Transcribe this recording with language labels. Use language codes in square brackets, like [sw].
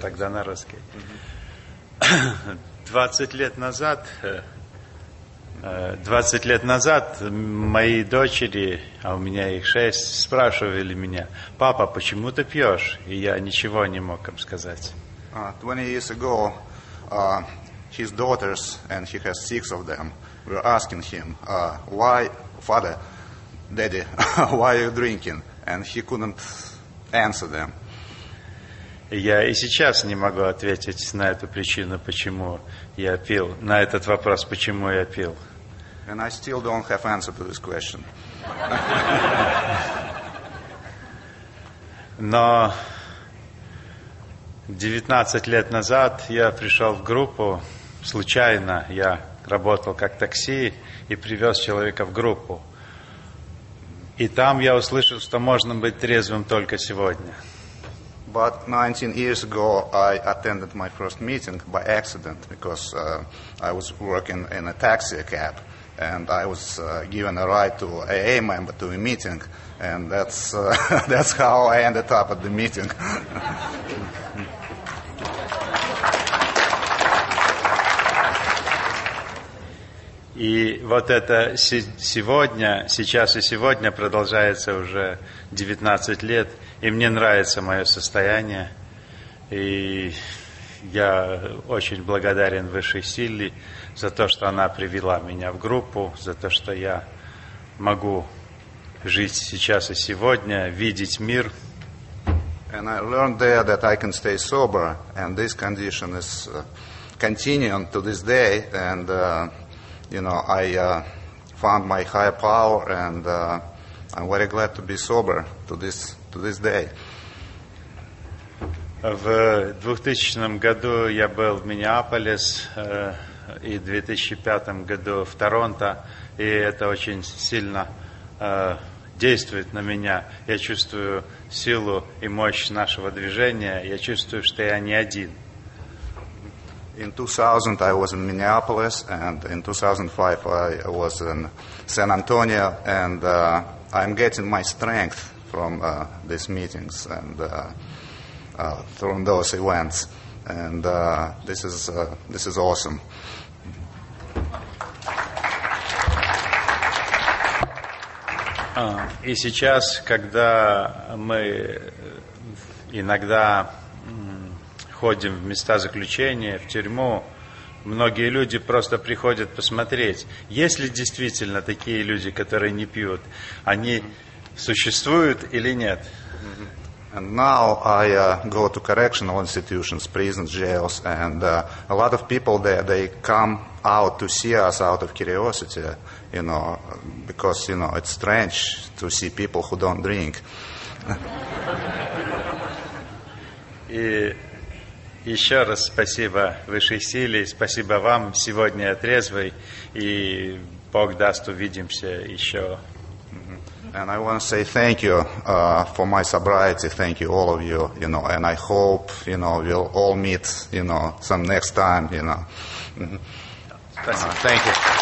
[ru] Тогда на русский. 20 лет назад. 20 лет назад мои дочери, а у меня их 6, спрашивали меня: «Папа, почему ты пьешь?» И я ничего не мог им сказать. [en] 20 years ago, his daughters, and he has 6 of them, were asking him, why, father, daddy, why are you drinking? And he couldn't answer them. [ru] Я и сейчас не могу ответить на эту причину, почему я пил, на этот вопрос, почему я пил. [en] And I still don't have answer to this question. [ru] Но 19 лет назад я пришел в группу случайно. Я работал как такси и привез человека в группу. И там я услышал, что можно быть трезвым только сегодня. [en] But 19 years ago, I attended my first meeting by accident because I was working in a taxi cab. And I was given a ride to AA member to a meeting, and that's how I ended up at the meeting. [ru] И вот это сегодня, сейчас и сегодня продолжается уже 19 лет, и мне нравится мое состояние, и я очень благодарен высшей силе за то, что она привела меня в группу, за то, что я могу жить сейчас и сегодня, видеть мир. [en] And I learned there that I can stay sober, and this condition is continuing to this day, and you know, I found my higher power, and I'm very glad to be sober to this day. [ru] В 2000 году я был в Миннеаполис, и в 2005 году в Торонто, и это очень сильно действует на меня. Я чувствую силу и мощь нашего движения, я чувствую, что я не один. [en] In 2000 I was in Minneapolis, and in 2005 I was in San Antonio, and I'm getting my strength from these meetings and from those events, and this is awesome. [ru] И сейчас, когда мы иногда ходим в места заключения, в тюрьму, многие люди просто приходят посмотреть, есть ли действительно такие люди, которые не пьют, они существуют или нет. [en] And now I go to correctional institutions, prisons, jails, and a lot of people there, they come out to see us out of curiosity, you know, because, you know, it's strange to see people who don't drink. [ru] И еще раз спасибо высшей силе, спасибо вам, сегодня я трезвый, и Бог даст, увидимся еще. [en] And I want to say thank you for my sobriety. Thank you, all of you. You know, and I hope, you know, we'll all meet, you know, some next time, you know. Thank you.